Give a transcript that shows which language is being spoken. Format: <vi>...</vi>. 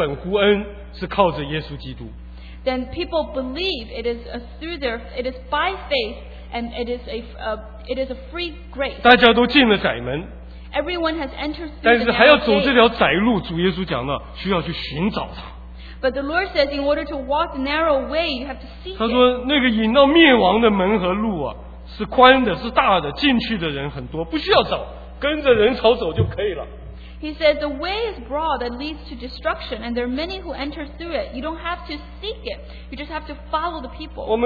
<zh>人得救都是因着信也本乎恩，是靠着耶稣基督。</zh> <en>Then people believe it is by faith and it is a free grace.</en> <zh>大家都进了窄门,</zh> <en>everyone has entered through.</en> <zh>但是还要走这条窄路，主耶稣讲了，需要去寻找它。</zh> <en>But the Lord says, in order to walk the narrow way, you have to seek.</en> <zh>他说，那个引到灭亡的门和路啊，是宽的，是大的，进去的人很多，不需要找，跟着人潮走就可以了。</zh> <en>He says the way is broad that leads to destruction, and there are many who enter through it. You don't have to seek it; you just have to follow the people.</en>